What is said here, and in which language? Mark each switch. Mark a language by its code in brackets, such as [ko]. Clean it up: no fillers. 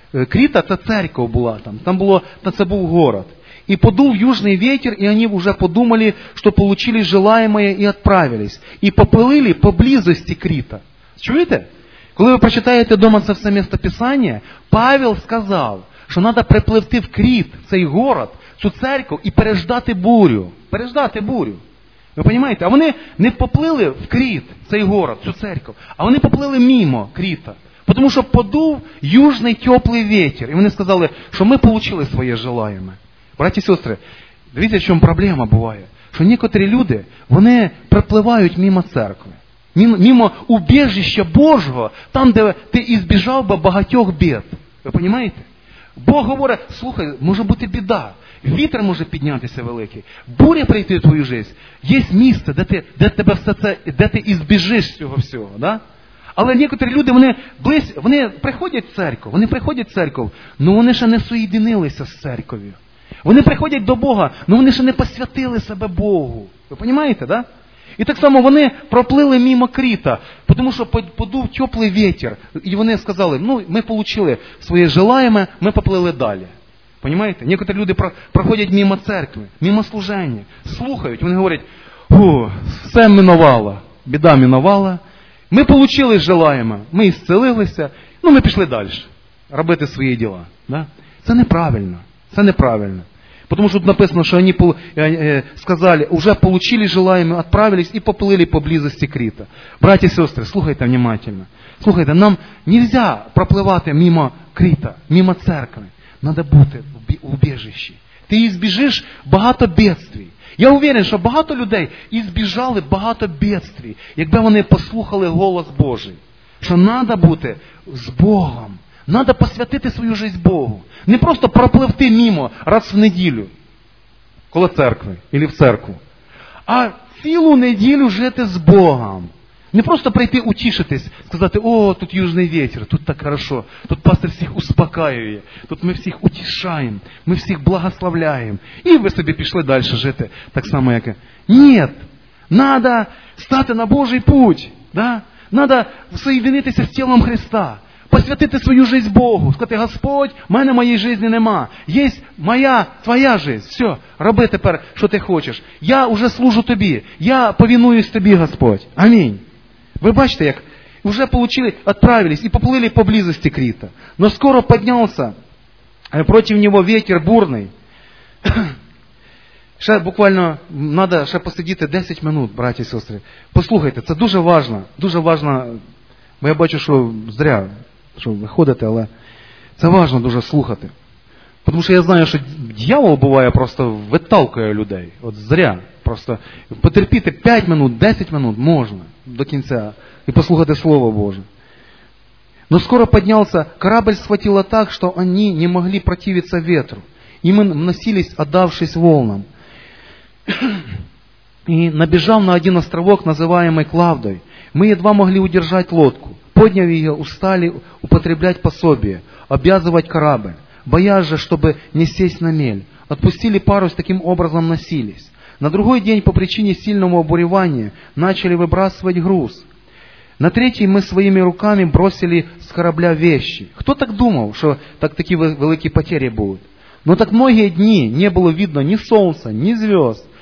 [ru] Крита – это церковь была там, там было, это был город. И подул южный ветер, и они уже подумали, что получили желаемое, и отправились. И поплыли поблизости Крита. Чуете? Когда вы прочитаете дома все местописание, Павел сказал, что надо приплывти в Крит, [uk] в цей город, в цю церковь, [ru] и переждати бурю. [uk] Переждати бурю. Ви розумієте? А вони не поплили в Кріт, цей город, цю церкву, а вони поплили мімо Кріта. Тому що подув южний теплий вітер. І вони сказали, що ми отримали своє желаємо. Браті і сестри, дивіться, в чому проблема буває. Що некоторі люди, вони пропливають мімо церкви. Мімо убіжища Божого, там, де ти і збіжав би багатьох бід. Ви розумієте? Бог говорить, слухай, може бути біда. Вітер може піднятися великий, буря прийти в твою життя. Є місце, де ти, де тебе все це, де ти ізбіжиш цього всього, да? Але некоторі люди, вони приходять в церкву, але вони ще не соєдинилися з церковою. Вони приходять до Бога, але вони ще не посвятили себе Богу. Ви розумієте, да? І так само вони проплили мимо Кріта, тому що подув теплий вітер, і вони сказали, ми отримали своє желаємо, ми поплили далі. [ru] Понимаете? Некоторые люди проходять мимо церкви, мимо служения, слухают, они говорят, все миновало, беда миновала, мы получили желаемое, мы исцелились, мы пошли дальше, робити свои дела. Да? Это неправильно. Потому что тут написано, что они сказали, уже получили желаемое, отправились и поплыли поблизости Крита. Братья и сестры, слухайте внимательно. Слухайте, нам нельзя проплывать мимо Крита, мимо церкви. [uk] Надо бути в убежищі. Ти ізбіжиш багато бедствій. Я уверен, що багато людей ізбіжали багато бедствій, якби вони послухали голос Божий. Що треба бути з Богом. Треба посвятити свою життя Богу. Не просто пропливти мимо раз в неділю, коло церкви, или в церкву. А цілу неділю жити з Богом. Не просто прийти утішитись, сказати, о, тут южний вітер, тут так хорошо, тут пастор всіх успокаює, тут ми всіх утішаємо, ми всіх благословляємо. І ви собі пішли далі жити так само, як і. Ні, треба стати на Божий путь, да? Треба соєднитися з тілом Христа, посвятити свою життя Богу, сказати, Господь, в мене моєї життя нема, є моя, твоя життя, все, роби тепер, що ти хочеш. Я вже служу тобі, я повинуюсь тобі, Господь. Амінь. [ru] Вы бачите, как уже получили, отправились и поплыли поблизости Крита. Но скоро поднялся против него ветер бурный. [uk] Ще буквально надо ще посидіти 10 минут, [ru] братья и сестры. [uk] Послухайте, это дуже важно. Дуже важно. [ru] Я бачу, что зря, что вы ходите, але это важно дуже слухати. Потому что я знаю, что дьявол буває просто виталкує людей. От зря. [uk] Просто потерпіти 5 минут, 10 минут можно. До кінця і послухати Слово Боже. Но скоро піднявся, корабль схватило так, що вони не могли противиться вітру. І ми носились, віддавшись волнам. І набіжав на один островок, називаємий Клавдой. Ми едва могли удержати лодку. Підняв її, устали употребляти по собі, об'язувати корабль. Боясь же, щоб не сесть на мель. [ru] Отпустили парусь, таким образом носились. На другой день по причине сильного обуревания начали выбрасывать груз. На третий мы своими руками бросили с корабля вещи. Кто так думал, что так такие великие потери будут? Но так многие дни не было видно ни солнца, ни звезд.